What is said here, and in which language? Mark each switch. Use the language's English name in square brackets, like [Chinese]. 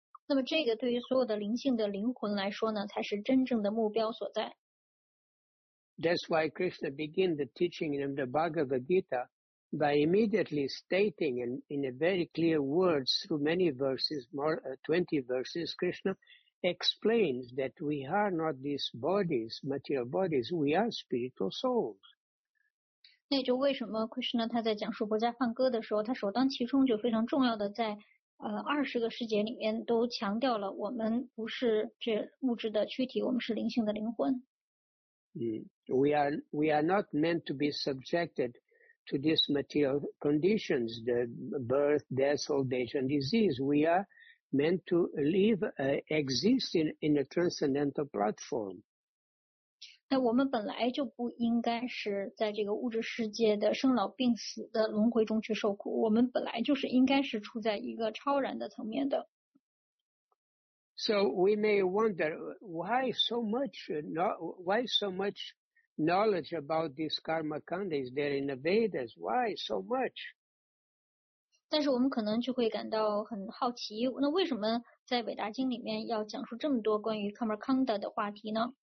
[Chinese] 那么这个对于所有的灵性的灵魂来说呢，才是真正的目标所在。 [English] That's why Krishna began the teaching in the Bhagavad Gita by immediately stating in a very clear words through many verses, more 20 verses, Krishna explains that we are not these bodies, material bodies, we are spiritual souls. [Chinese] 那就为什么 Krishna 他在讲述《薄伽梵歌》的时候，他首当其冲就非常重要的在二十个诗节里面都强调了我们不是这物质的躯体，我们是灵性的灵魂。 [English] We are not meant to be subjected to these material conditions, the birth, death, old age, and disease. We are meant to live, exist in a transcendental platform. [Chinese] 那我们本来就不应该是在这个物质世界的生老病死的轮回中去受苦，我们本来就是应该是处在一个超然的层面的。 [English] So we may wonder why so much knowledge about this karma kanda is there in the Vedas? Why so much? [Chinese] 但是我们可能就会感到很好奇，那为什么在伟大经里面要讲述这么多关于 karma kanda 的话题呢？